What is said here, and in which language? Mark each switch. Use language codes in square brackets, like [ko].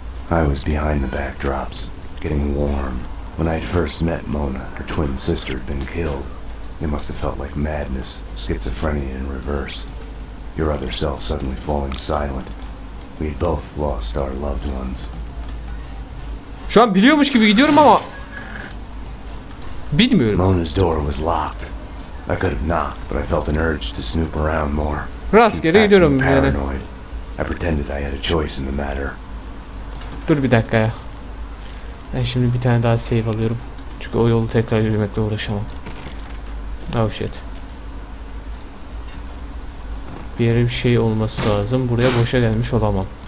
[en] I was behind the backdrops, getting warm. When I had first met Mona, her twin sister had been killed. It must have felt like madness, schizophrenia in reverse. Your other self suddenly falling silent. We had both lost our loved ones. [tr] Şu an biliyormuş gibi gidiyorum ama bilmiyorum. [en] Mona's door was locked. I could have knocked, but I felt an urge to snoop around more. [tr] Rastgele gidiyorum [en] paranoid. I pretended I had a choice in the matter. [tr] Dur bir dakika ya. Ben şimdi bir tane daha save alıyorum. Çünkü o yolu tekrar yürümekle uğraşamam. [en] Oh shit. [tr] Bir yere bir şey olması lazım. Buraya boşa gelmiş olamam.